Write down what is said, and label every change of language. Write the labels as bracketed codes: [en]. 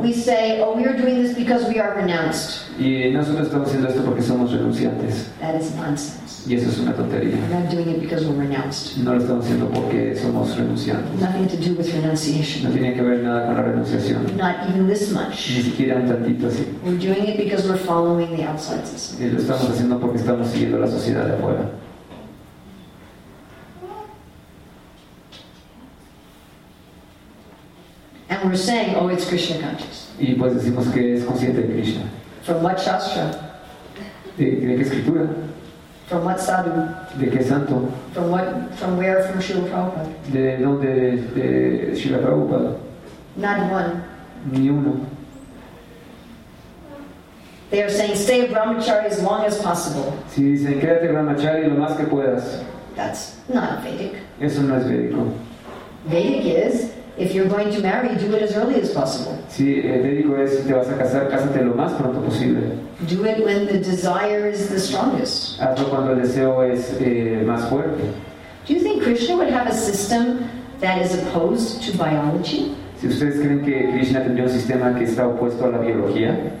[en] we say, oh, we are doing this because we are renounced. [es] Y nosotros estamos haciendo esto porque somos renunciantes. [en] That is nonsense. [es] Y eso es una tontería. [en] We're not doing it because we're renounced. [es] No lo estamos haciendo porque somos renunciantes. [en] Nothing to do with renunciation. [es] No tiene que ver nada con la renunciación. [en] Not even this much. [es] Ni siquiera un tantito así. [en] We're doing it because we're following the outside system. [es] Y lo estamos haciendo porque estamos siguiendo la sociedad de afuera. [en] And we're saying, oh, it's Krishna conscious. [es] Y pues decimos que es consciente de Krishna. [en] From what shastra? [es] ¿De qué escritura? [en] From what sadhu? [es] ¿De qué santo? [en] From where? From Srila Prabhupada. [es] ¿De dónde? De Srila Prabhupada. [en] Not one. [es] Ni uno. [en] They are saying, stay brahmachari as long as possible. [es] Si dicen, quédate brahmachari lo más que puedas. [en] That's not Vedic. [es] Eso no es Vedico. [en] Vedic is... If you're going to marry, do it as early as possible. [es] Sí, médico es si te vas a casar, cásate lo más pronto posible. [en] Do it when the desire is the strongest. [es] Hazlo cuando el deseo es más fuerte. [en] Do you think Krishna would have a system that is opposed to biology? [es] Si ustedes creen que Krishna tendría un sistema que está opuesto a la biología.